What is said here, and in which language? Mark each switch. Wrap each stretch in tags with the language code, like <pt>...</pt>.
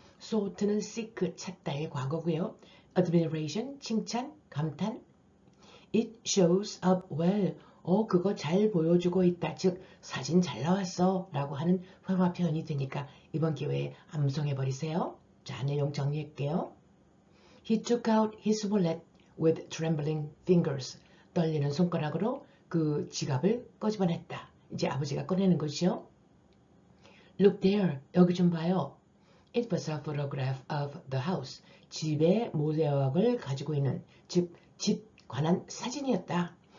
<ko>Sought는 seek, 찾다의 과거고요. Admiration, 칭찬, 감탄.</ko> <en>It shows up well.</en> <ko>그거 잘 보여주고 있다. 즉, 사진 잘 나왔어. 라고 하는 회화 표현이 되니까 이번 기회에 암송해버리세요. 자, 내용 정리할게요.</ko> <en>He took out his wallet with trembling fingers.</en> <ko>떨리는 손가락으로 그 지갑을 꺼집어냈다. 이제 아버지가 꺼내는 것이요.</ko> <en>Look there.</en> <ko>여기 좀 봐요.</ko> <en>It was a photograph of the house.</en> <ko>집의 모형을 가지고 있는, 즉, 집 관한 사진이었다.</ko>